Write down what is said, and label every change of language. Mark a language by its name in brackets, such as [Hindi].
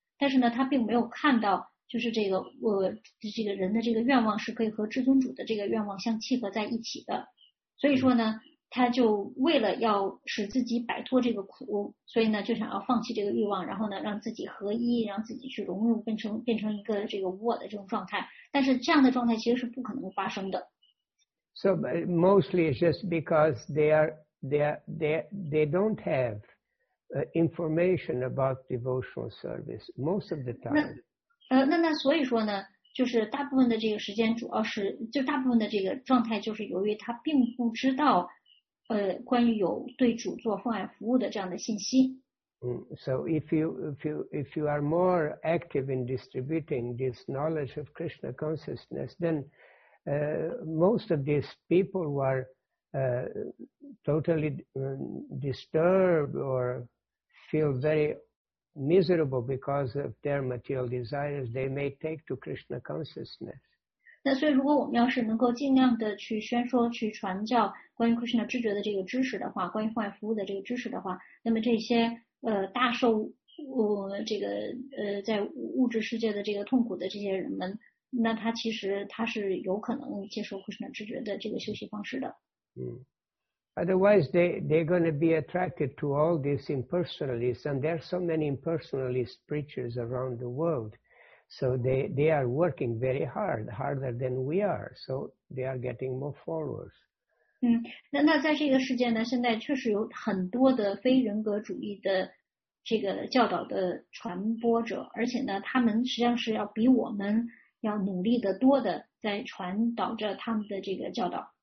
[Chinese] 但是呢，他并没有看到，就是这个这个人的这个愿望是可以和至尊主的这个愿望相契合在一起的。所以说呢，他就为了要使自己摆脱这个苦，所以呢就想要放弃这个欲望，然后呢让自己合一，让自己去融入，变成一个这个无我的这种状态。但是这样的状态其实是不可能发生的。 [English] So mostly it's just because they don't have information about devotional service most of the time. [Chinese] 那所以说呢，就是大部分的这个时间主要是就大部分的这个状态就是由于他并不知道关于有对主做奉爱服务的这样的信息。 [English] So if you are more active in distributing this knowledge of Krishna consciousness, then most of these people who are totally disturbed or feel very miserable because of their material desires, they may take to Krishna consciousness. [Chinese] 那所以如果我们要是能够尽量的去宣说去传教关于 Krishna 知觉的这个知识的话，关于奉爱服务的这个知识的话，那么这些大受这个在物质世界的这个痛苦的这些人们，那他其实他是有可能接受 Krishna 知觉的这个修习方式的。 [English] Otherwise, they're going to be attracted to all these impersonalists, and there are so many impersonalist preachers around the world. So they are working very hard, harder than we are. So they are getting more followers. [Chinese] 那在这个世界呢，现在确实有很多的非人格主义的这个教导的传播者，而且呢，他们实际上是要比我们要努力的多的，在传导着他们的这个教导。